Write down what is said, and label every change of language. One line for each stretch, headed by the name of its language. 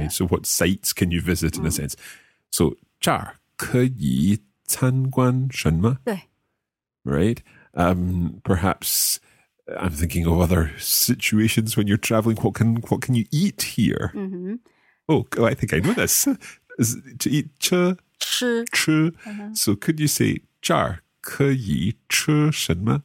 English: Yeah. So, what sites can you visit in a sense?
Chinese: So, 这儿可以参观什么?
English: Right. Perhaps I'm thinking of other situations when you're traveling. What can you eat here? Mm-hmm. Oh, I think I know this. To eat 吃. Uh-huh. So, could you say
Chinese: 这儿可以吃什么?